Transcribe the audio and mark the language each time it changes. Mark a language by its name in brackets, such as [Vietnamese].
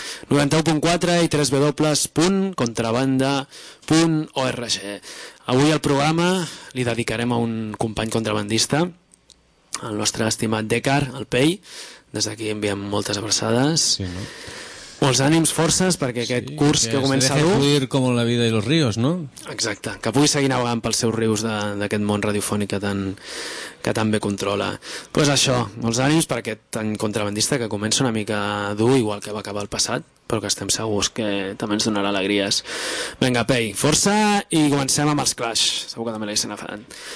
[Catalan] 91.4 i www.contrabanda.org. Avui el programa li dedicarem a un company contrabandista, el nostre estimat Dekar, el Pei. Des d'aquí enviem moltes abraçades. Sí, no? Molts ànims, forces, perquè aquest curs que comença dur... [Spanish] Que es deje fluir como la vida y los ríos, no? [Catalan] Exacte, que pugui seguir navegant pels seus rius d'aquest món radiofònic que tan bé controla. Doncs pues això, molts ànims per aquest contrabandista que comença una mica dur, igual que va acabar el passat, però que estem segurs que també ens donarà alegries. Vinga, Pei, força, i comencem amb els Clash. Segur que també l'haig sentit.